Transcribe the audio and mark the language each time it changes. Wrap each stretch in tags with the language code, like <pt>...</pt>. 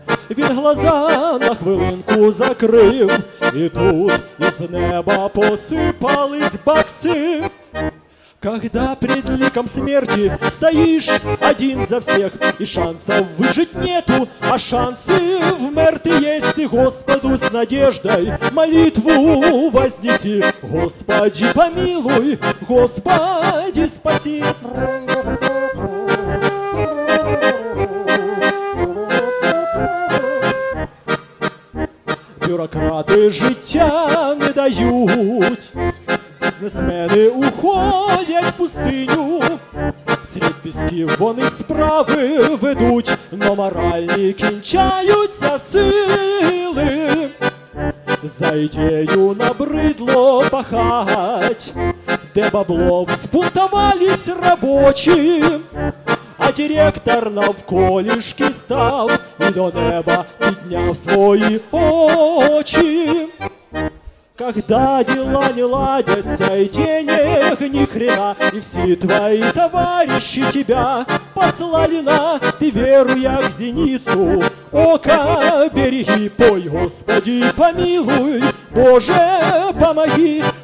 <uk>Він глаза на хвилинку закрив, і тут із неба посипались бакси.</uk> <ru>Когда пред ликом смерти стоишь один за всех, и шансов выжить нету, а шансы в мерте есть, ты Господу с надеждой молитву вознеси. Господи, помилуй, Господи, спаси. Бюрократы життя не дают, бизнесмены уходят в пустыню.</ru> <uk>Средь пісків вони справи ведуть, но моральні кінчаються сили. За ідею набридло пахать, де бабло</uk> <ru>взбунтовались рабочі.</ru> <uk>А директор навколішки став і до неба підняв свої очі.</uk> <ru>Когда дела не ладятся, и денег ни хрена, и все твои товарищи тебя послали на, ты веру я к зеницу ока береги. Пой, Господи, помилуй, Боже, помоги.</ru>